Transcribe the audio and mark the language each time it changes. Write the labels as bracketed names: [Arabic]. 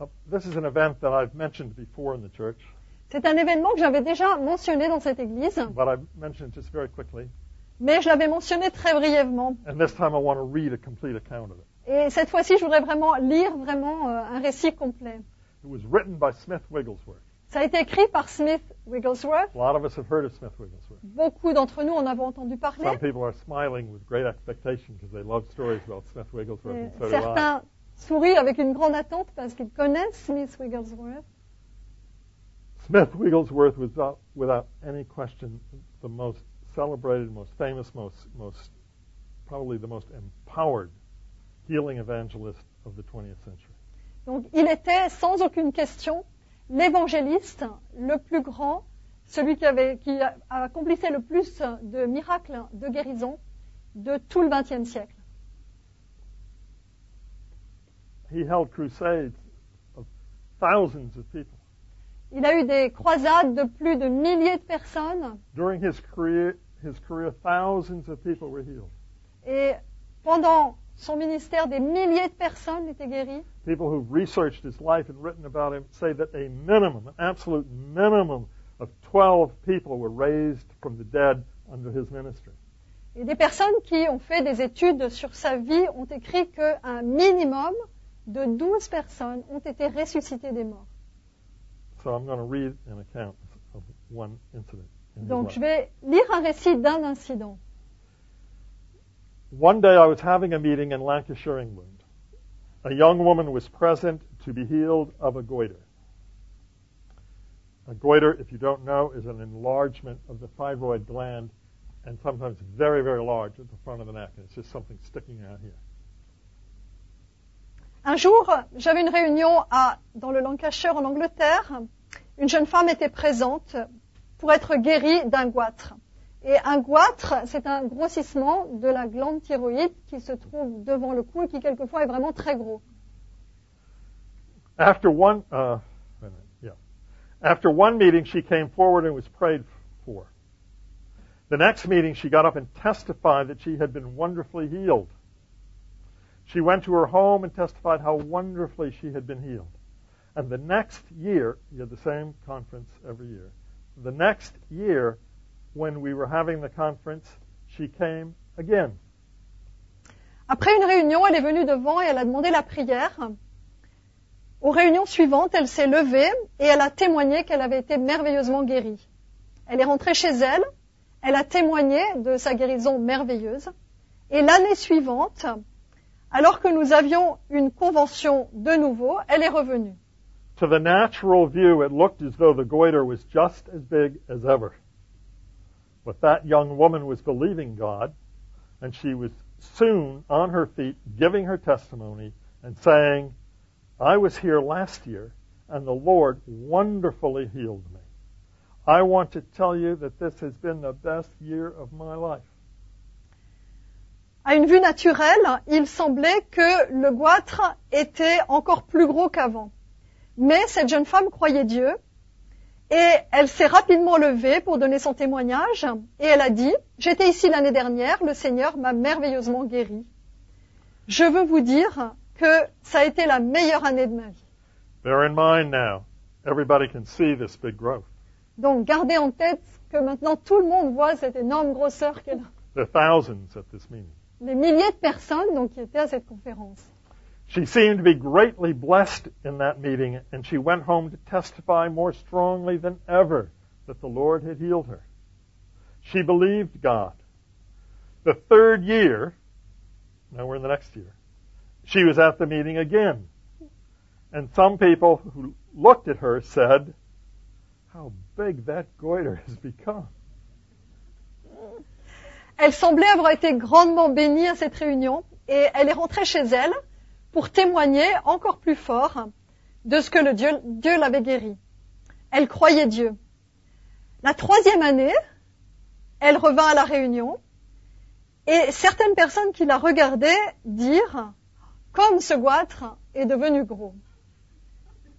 [English] This is an event that I've mentioned before in the church. [French] C'est un événement que j'avais déjà mentionné dans cette église. [English] But I mentioned just very quickly. [French] Mais je l'avais mentionné très brièvement. [English] And this time I want to read a complete account of it. [French] Et cette fois-ci, je voudrais vraiment lire vraiment un récit complet. [English] It was written by Smith Wigglesworth. [French] Ça a été écrit par Smith Wigglesworth. [English] A lot of us have heard of Smith Wigglesworth. [French] Beaucoup d'entre nous en avons entendu parler. [English] Some people are smiling with great expectation because they love stories about Smith Wigglesworth. And so [French] certains sourient avec une grande attente parce qu'ils connaissent Smith Wigglesworth. [English] Smith Wigglesworth was without any question the most celebrated, most famous, most probably the most empowered healing evangelist of the 20th century. [French] Donc il était sans aucune question l'évangéliste le plus grand, celui qui accomplissait le plus de miracles de guérison de tout le XXe siècle. [English] He held crusades of thousands of people. [French] Il a eu des croisades de plus de milliers de personnes. [English] During his career, thousands of people were healed. [French] Et pendant Son ministère, des milliers de personnes étaient guéries. [English] People who've researched his life and written about him say that a minimum, an absolute minimum of 12 people were raised from the dead under his ministry. [French] Et des personnes qui ont fait des études sur sa vie ont écrit qu'un minimum de 12 personnes ont été ressuscitées des morts. [English] So I'm going to read an account of one incident. [French] Donc je vais lire un récit d'un incident. [English] One day I was having a meeting in Lancashire, England. A young woman was present to be healed of a goiter. A goiter, if you don't know, is an enlargement of the thyroid gland and sometimes very, very large at the front of the neck. It's just something sticking out here. [French] Un jour, j'avais une réunion dans le Lancashire, en Angleterre. Une jeune femme était présente pour être guérie d'un goitre. Et un goitre, c'est un grossissement de la glande thyroïde qui se trouve devant le cou et qui quelquefois est vraiment très gros. [English] After one meeting, she came forward and was prayed for. The next meeting, she got up and testified that she had been wonderfully healed. She went to her home and testified how wonderfully she had been healed. And the next year, you had the same conference every year, the next year, when we were having the conference, she came again. [French] Après une réunion, elle est venue devant et elle a demandé la prière. Aux réunions suivantes, elle s'est levée et elle a témoigné qu'elle avait été merveilleusement guérie. Elle est rentrée chez elle, elle a témoigné de sa guérison merveilleuse. Et l'année suivante, alors que nous avions une convention de nouveau, elle est revenue. [English] To the natural view, it looked as though the goiter was just as big as ever. But that young woman was believing God, and she was soon on her feet giving her testimony and saying, I was here last year, and the Lord wonderfully healed me. I want to tell you that this has been the best year of my life. [French] À une vue naturelle, il semblait que le goitre était encore plus gros qu'avant. Mais cette jeune femme croyait Dieu. Et elle s'est rapidement levée pour donner son témoignage et elle a dit, j'étais ici l'année dernière, le Seigneur m'a merveilleusement guérie. Je veux vous dire que ça a été la meilleure année de ma vie. [English] Bear in mind now, everybody can see this big growth. [French] Donc gardez en tête que maintenant tout le monde voit cette énorme grosseur qu'elle a. [English] The thousands at this meeting. [French] Les milliers de personnes donc, qui étaient à cette conférence. [English] She seemed to be greatly blessed in that meeting, and she went home to testify more strongly than ever that the Lord had healed her. She believed God. The third year, now we're in the next year, she was at the meeting again. And some people who looked at her said, how big that goiter has become. [French] Elle semblait avoir été grandement bénie à cette réunion, et elle est rentrée chez elle pour témoigner encore plus fort de ce que le Dieu l'avait guéri. Elle croyait Dieu. La troisième année, elle revint à la réunion et certaines personnes qui la regardaient dirent « Comme ce goitre est devenu gros. »